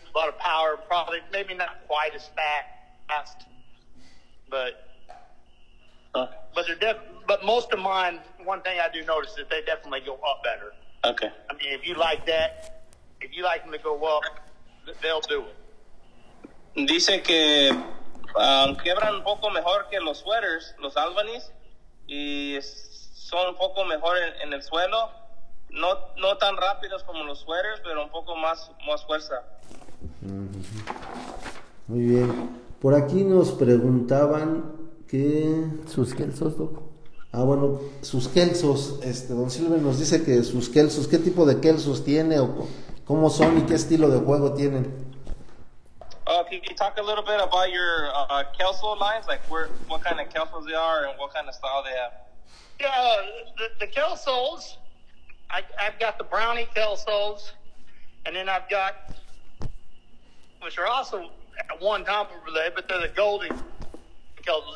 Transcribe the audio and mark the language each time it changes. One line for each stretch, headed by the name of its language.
English: A lot of power, probably maybe not quite as fast, but most of mine. One thing I do notice is that they definitely go up better. Okay. I mean, if you like that, if you like them to go up, they'll do it.
Spanish: Dice que quebran un poco mejor que los sweaters, los Albanese, y son un poco mejor en el suelo. No tan rápidos como los sweaters, pero un poco más fuerza. Muy bien. Por aquí nos preguntaban que sus kelsos, Doc. Ah, bueno, sus kelsos. Don Silver nos dice que sus kelsos, ¿qué tipo de kelsos tiene, o ¿Cómo son y qué estilo de juego tienen?
English: Can you talk a little bit about your Kelso lines, like where, what kind of Kelsos they are and what kind of style they have? Yeah, the Kelsos, I've got the brownie Kelsos, and then I've got, which are also at one time of relay, but they're the golden Kelsos.